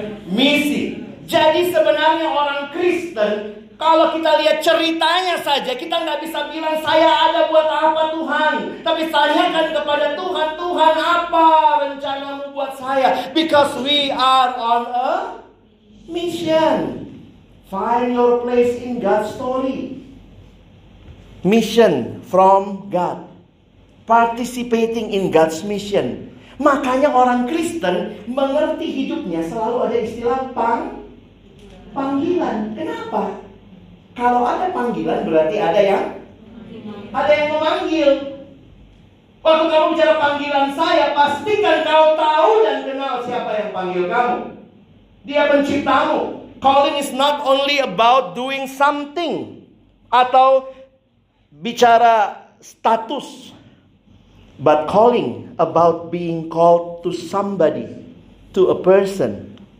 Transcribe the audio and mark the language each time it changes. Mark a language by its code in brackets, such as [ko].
[id] Misi. Jadi sebenarnya orang Kristen, kalau kita lihat ceritanya saja, kita gak bisa bilang saya ada buat apa Tuhan. Tapi tanyakan kepada Tuhan, Tuhan apa rencanamu buat saya? [en] Because we are on a mission. Find your place in God's story. Mission from God. Participating in God's mission. [id] Makanya orang Kristen mengerti hidupnya selalu ada istilah panggilan. Kenapa? Kalau ada panggilan berarti ada yang memanggil. Waktu kamu bicara panggilan saya, pastikan kau tahu dan kenal siapa yang panggil kamu. Dia penciptamu. [en] Calling is not only about doing something [id] atau bicara status, [en] but calling about being called to somebody, to a person.